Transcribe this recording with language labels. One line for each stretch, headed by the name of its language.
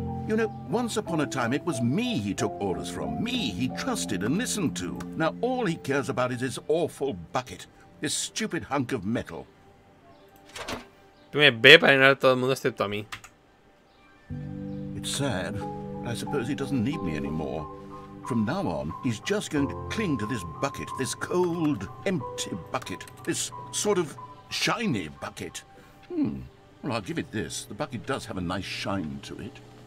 English: You know, once upon a time it was me he took orders from, me he trusted and listened to. Now all he cares about is this awful bucket, this stupid hunk of metal.
Spanish: Tú me ve para ignorar a todo el mundo excepto a mí.
English: It's sad, but I suppose he doesn't need me anymore. From now on, he's just going to cling to this bucket, this cold, empty bucket, this sort of shiny bucket. Well, I'll give it this. The bucket does have a nice shine to it.